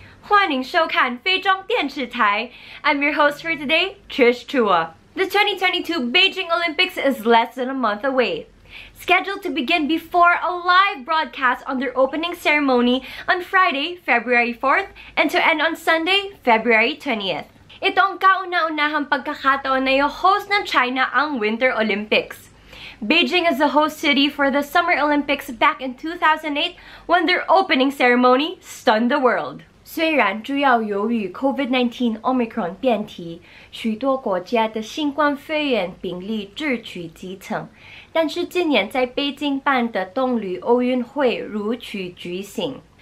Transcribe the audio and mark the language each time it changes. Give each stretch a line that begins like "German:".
Chinese: 欢迎收看非中电视台.
English: I'm your host for today, Trish Chua. The 2022 Beijing Olympics is less than a month away, scheduled to begin before a live broadcast on their opening ceremony on Friday, February 4th, and to end on Sunday, February 20th.
Filipino: Ito ang kauna-unahang pagkakataon na i-host ng China ang Winter Olympics.
English: Beijing is the host city for the Summer Olympics back in 2008 when their opening ceremony stunned the world.
Chinese: 虽然主要由于 COVID-19 Omicron 变体，许多国家的新冠肺炎病例日趋激增，但是今年在北京办的冬旅奥运会如期举行。